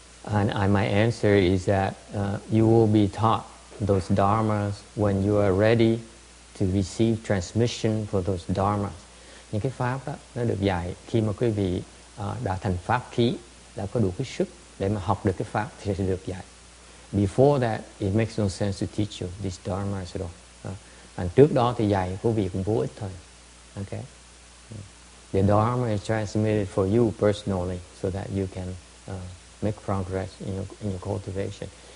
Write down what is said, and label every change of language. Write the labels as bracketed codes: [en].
[en] My answer is that you will be taught those dharmas when you are ready to receive transmission for those dharmas. [vi] Những cái pháp đó nó được dạy khi mà quý vị đã thành pháp khí, đã có đủ cái sức để mà học được cái pháp thì sẽ được dạy. [en] Before that, it makes no sense to teach you these dharmas at all. [vi] And trước đó thì dạy quý vị cũng vô ích thôi. [en] Okay. The Dharma is transmitted for you personally so that you can make progress in your cultivation.